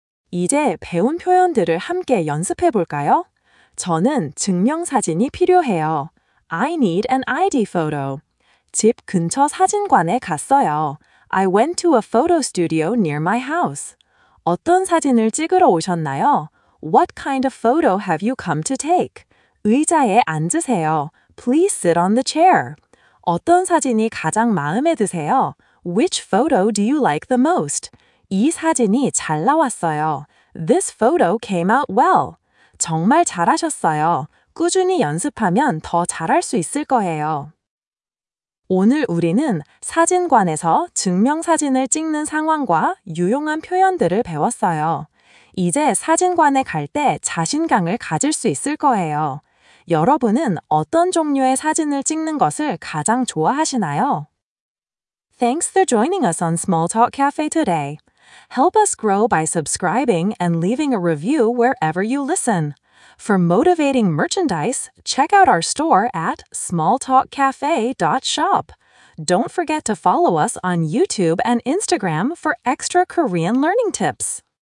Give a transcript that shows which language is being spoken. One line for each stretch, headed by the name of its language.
Korean: 이제 배운 표현들을 함께 연습해 볼까요? 저는 증명사진이 필요해요.
English: I need an ID photo.
Korean: 집 근처 사진관에 갔어요.
English: I went to a photo studio near my house.
Korean: 어떤 사진을 찍으러 오셨나요?
English: What kind of photo have you come to take?
Korean: 의자에 앉으세요.
English: Please sit on the chair.
Korean: 어떤 사진이 가장 마음에 드세요?
English: Which photo do you like the most?
Korean: 이 사진이 잘 나왔어요.
English: This photo came out well.
Korean: 정말 잘하셨어요. 꾸준히 연습하면 더 잘할 수 있을 거예요. 오늘 우리는 사진관에서 증명사진을 찍는 상황과 유용한 표현들을 배웠어요. 이제 사진관에 갈 때 자신감을 가질 수 있을 거예요. 여러분은 어떤 종류의 사진을 찍는 것을 가장 좋아하시나요?
English: Thanks for joining us on Small Talk Cafe today. Help us grow by subscribing and leaving a review wherever you listen. For motivating merchandise, check out our store at smalltalkcafe.shop. Don't forget to follow us on YouTube and Instagram for extra Korean learning tips.